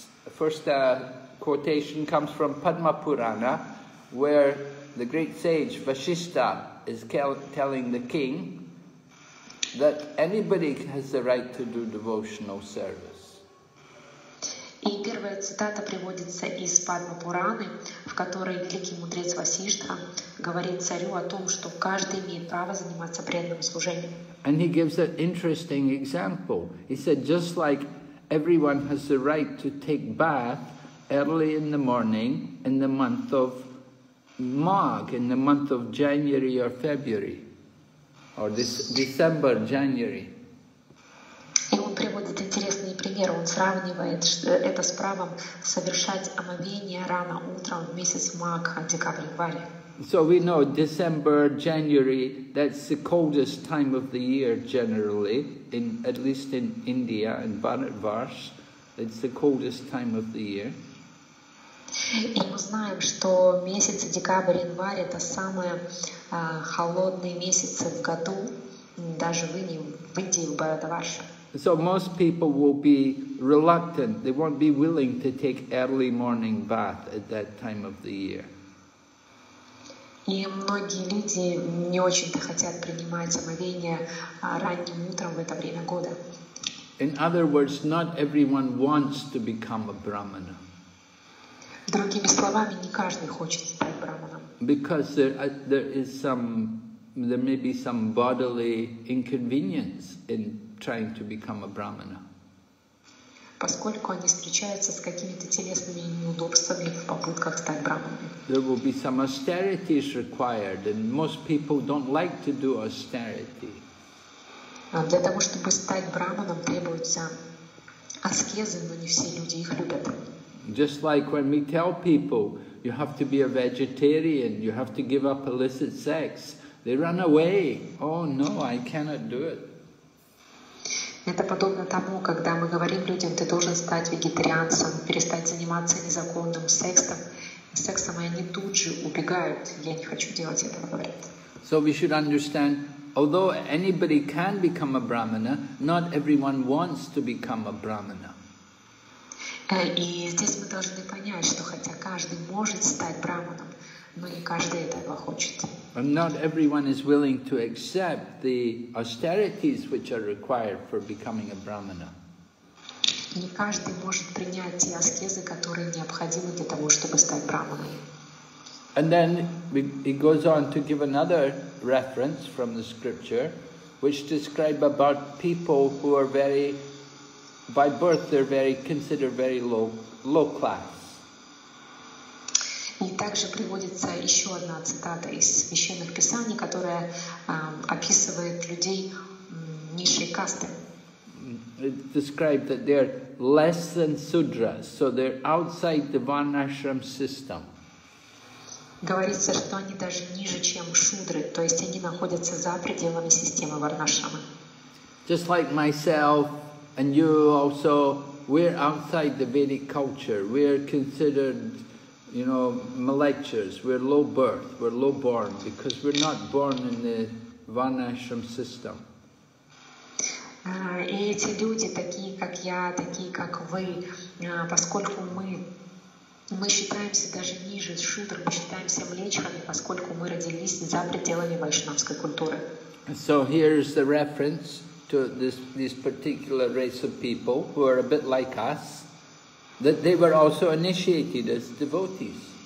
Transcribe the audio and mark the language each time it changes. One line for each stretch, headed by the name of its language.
English: First quotation comes from Padma Purana, where the great sage Vasishta is telling the king that anybody has the right to do devotional service.
Russian: И первая цитата приводится из Падма Пураны, в которой великий мудрец Васиштха говорит царю о том, что каждый имеет право заниматься преданным служением.
English: And he gives an interesting example. He said, just like everyone has the right to take bath early in the morning in the month of Magh, in the month of January or February, or December, January.
Russian: Он сравнивает это с правом совершать омовение рано утром в месяц Магха, декабрь-январь.
English: So we know December, January, that's the coldest time of the year generally, at least in India and Bharatvarsh, it's the coldest time of the year.
Russian: И мы знаем, что месяц декабрь-январь — это самые холодные месяцы в году, даже в Индии, в Бхаратварш.
English: So most people will be reluctant, they won't be willing to take early morning bath at that time of the year.
Russian: И многие люди не очень-то хотят принимать омовение ранним утром в это время года.
English: In other words, not everyone wants to become a brahmana.
Russian: Другими словами, не каждый хочет стать брахманом.
English: Because there may be some bodily inconvenience in trying to become a brahmana.
Russian: Поскольку они встречаются с какими-то телесными неудобствами в попытках стать брахманами.
English: There will be some austerities required, and most people don't like to do austerity.
Russian: Для того, чтобы стать брахманом, требуются аскезы, но не все люди их любят.
English: Just like when we tell people, you have to be a vegetarian, you have to give up illicit sex, they run away. Oh no, I cannot do it.
Russian: Это подобно тому, когда мы говорим людям, ты должен стать вегетарианцем, перестать заниматься незаконным сексом, и они тут же убегают. Я не хочу делать этого, говорят.
English: So we should understand, although anybody can become a brahmana, not everyone wants to become a brahmana.
Russian: И здесь мы должны понять, что хотя каждый может стать браманом, но не каждый этого хочет.
English: And not everyone is willing to accept the austerities which are required for becoming a brahmana.
Russian: Не каждый может принять те аскезы, которые необходимы для того, чтобы стать браманом.
English: And then it goes on to give another reference from the scripture, which describe about people who are very, by birth, they're very considered very low class.
Russian: И также приводится еще одна цитата из священных писаний, которая описывает людей низшей касты.
English: It described that they're less than sudras, so they're outside the varnashram system.
Russian: Говорится, что они даже ниже, чем шудры, то есть они находятся за пределами системы варнашрама.
English: Just like myself and you also, we're outside the Vedic culture. We're considered, you know, malechers. We're low birth. We're low born because we're not born in the varnashram system.
Russian: И эти люди, такие как я, такие как вы, поскольку мы считаемся даже ниже шудр, мы считаемся млечхами, поскольку мы родились за пределами вайшнавской культуры.
English: So here's the reference to this particular race of people who are a bit like us, that they were also initiated as devotees.